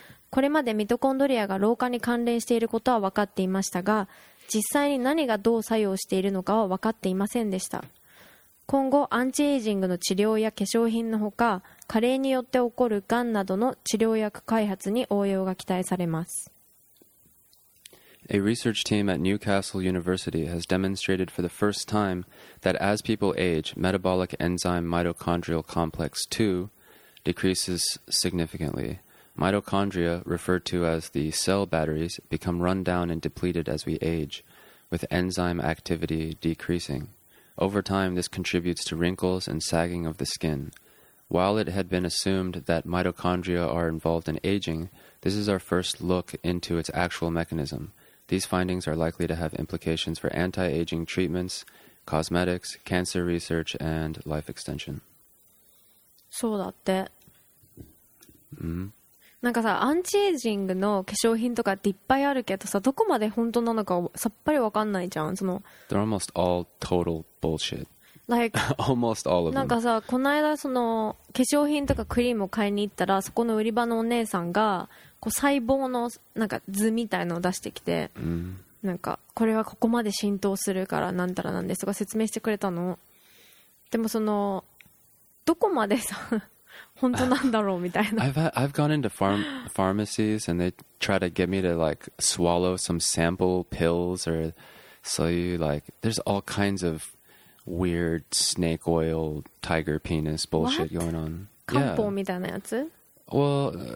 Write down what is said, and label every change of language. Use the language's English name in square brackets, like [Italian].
[Japanese] これまでミトコンドリアが老化に関連していることは分かっていましたが、実際に何がどう作用しているのかは分かっていませんでした。今後、アンチエイジングの治療や化粧品のほか、加齢によって起こるがんなどの治療薬開発に応用が期待されます。 [English] A research team at Newcastle University has demonstrated for the first time that as people age, metabolic enzyme mitochondrial complex 2 decreases significantly. Mitochondria, referred to as the cell batteries, become run down and depleted as we age, with enzyme activity decreasing. Over time, this contributes to wrinkles and sagging of the skin. While it had been assumed that mitochondria are involved in aging, this is our first look into its actual mechanism. These findings are likely to have implications for anti-aging treatments, cosmetics, cancer research, and life extension. [Japanese] そうだって。うん。なんかさ、アンチエイジングの化粧品とかっていっぱいあるけどさ、どこまで本当なのかさっぱりわかんないじゃん。その。 [English] They're almost all total bullshit. Like, almost all of them. [Japanese] なんかさ、この間その化粧品とかクリームを買いに行ったら、そこの売り場のお姉さんがこう細胞のなんか図みたいのを出してきて、なんかこれはここまで浸透するからなんたらなんですとか説明してくれたの。でもそのどこまでさ本当なんだろうみたいな。 [English] I've gone into pharmacies and they try to get me to like swallow some sample pills or so you like there's all kinds of. Weird snake oil tiger penis bullshit、 What? going on. [Japanese] 漢方みたいなやつ? [English] Well,